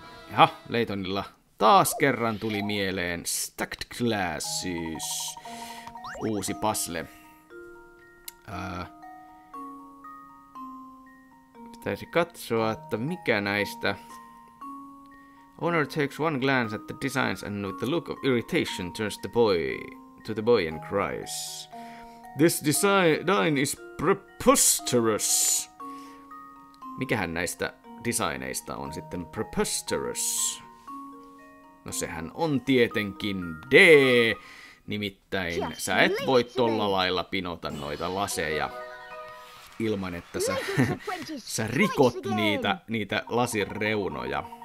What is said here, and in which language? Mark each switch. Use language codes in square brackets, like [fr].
[fi] Jaha, Leitonilla taas kerran tuli mieleen Stacked Classes. Uusi pasle. Pitäisi katsoa, että mikä näistä... [en] Owner takes one glance at the designs and with a look of irritation turns the boy to the boy and cries. This design is preposterous. [fi] Mikähän näistä designeista on sitten preposterous? No sehän on tietenkin D. Nimittäin sä et voi tolla lailla pinota noita laseja ilman että sä rikot niitä lasireunoja.